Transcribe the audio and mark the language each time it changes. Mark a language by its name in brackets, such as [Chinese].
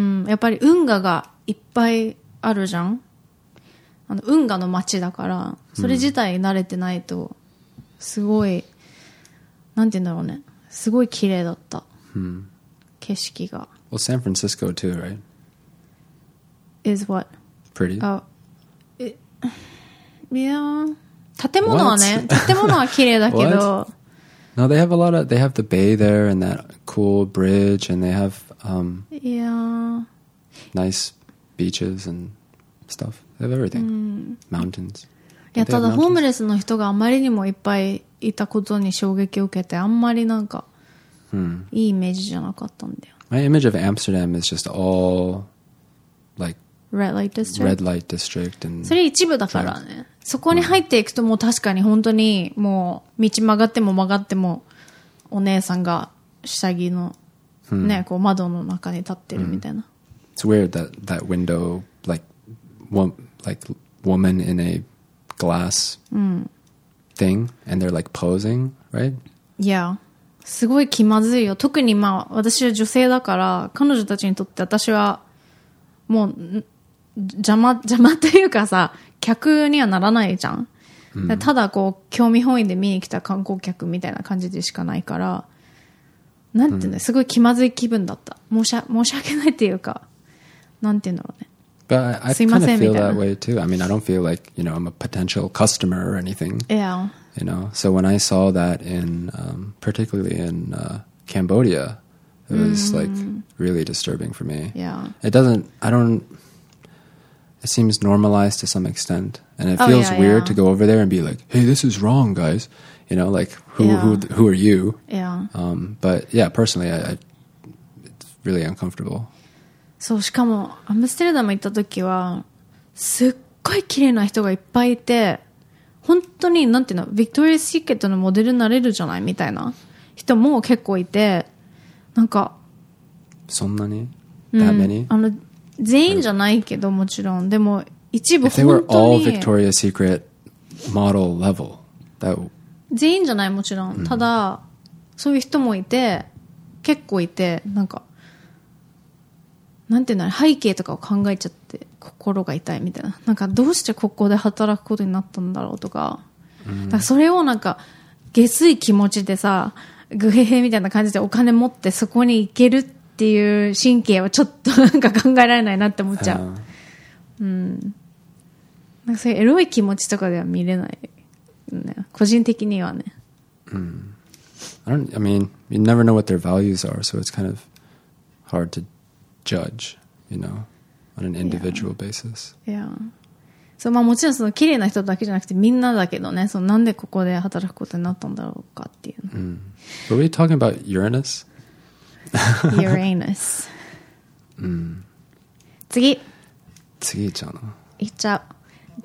[Japanese] やっぱり運河がいっぱいあるじゃん。あの運河の街だから、それ自体慣れてないとすごい、なんて言うんだろうね。すごい綺麗だった。景色が。 [English] Well, San Francisco too, right? Is what? Pretty. Yeah. [Japanese] 建物はね、建物は綺麗だけど。 [English] No, they have a lot of, they have the bay there and that cool bridge and they have, yeah. Nice beaches and stuff. They have everything. Mountains. [Japanese] いや、ただホームレスの人があまりにもいっぱいいたことに衝撃を受けて、あんまりなんか、いいイメージじゃなかったんだよ。 [English] My image of Amsterdam is just all, like, red light district. And [Japanese] それ一部だからね。そこに入っていくともう確かに本当にもう道曲がっても曲がってもお姉さんが下着のね、こう窓の中に立ってるみたいな。 [English] It's weird that that window, like woman in a glass thing, and they're like posing, right? Yeah. [Japanese] すごい気まずいよ。特にまあ私は女性だから、彼女たちにとって私はもう邪魔というかさ、客にはならないじゃん、ただこう興味本位で見に来た観光客みたいな感じでしかないから、なんていうの、すごい気まずい気分だった。申し訳ないっていうか、なんていうんだろうね。 [English] But I kind of feel that way too. I mean, I don't feel like, you know, I'm a potential customer or anything. Yeah. You know, so when I saw that in, particularly in Cambodia, it was like really disturbing for me. Yeah. It seems normalized to some extent. And it feels weird to go over there and be like, hey, this is wrong, guys. You know, like, who are you? Yeah. But yeah, personally, I it's really uncomfortable. [Japanese] そう、しかもアムステルダム行った時はすっごい綺麗な人がいっぱいいて、本当になんていうの、ビクトリアシーケットのモデルになれるじゃないみたいな人も結構いて、なんかそんなに [English] that many? [Japanese] あの全員じゃないけど、もちろんでも一部、本当に [English] if they were all Victoria Secret model level, that... [Japanese] 全員じゃない、もちろん、ただそういう人もいて、結構いて、なんかなんていうの、背景とかを考えちゃって心が痛いみたいな、なんかどうしてここで働くことになったんだろうとか、だからそれをなんか下水気持ちでさ、グヘヘみたいな感じでお金持ってそこに行けるっていう神経はちょっとなんか考えられないなって思っちゃう。なんかそういうエロい気持ちとかでは見れない、ね、個人的にはね。 [English] I mean, you never know what their values are, so it's kind of hard toJudge, you know, on an individual basis. Yeah. [Japanese] So, まあもちろんその綺麗な人だけじゃなくてみんなだけどね。そのなんでここで働くことになったんだろうかっていう。 [English] Were we talking about Uranus? Uranus. [Japanese] 次。次行っちゃうの。行っちゃう。